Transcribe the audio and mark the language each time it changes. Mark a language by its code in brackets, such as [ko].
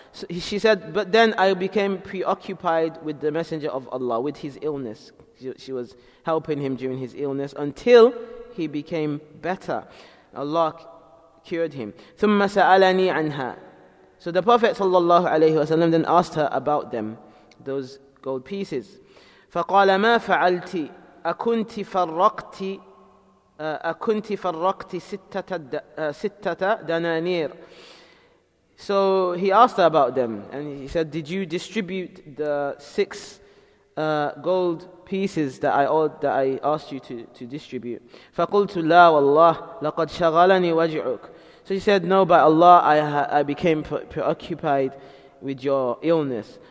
[en] She said, but then I became preoccupied with the Messenger of Allah, with his illness. She was helping him during his illness until he became better. Allah cured him. [ar] ثم سألني عنها. [en] So the Prophet [ar] صلى الله عليه وسلم [en] then asked her about them, those gold pieces. [ar] فقال ما فعلت أكنت فرقت أَكُنْتِ فَرَّقْتِ سِتَّةَ دَنَانِيرِ. [en] So he asked her about them, and he said, did you distribute the six gold pieces that I asked you to distribute? [ar] فَقُلْتُ لَا وَاللَّهِ لَقَدْ شَغَلَنِي وَجْعُكَ. [en] So she said, no, by Allah, I became preoccupied with your illness.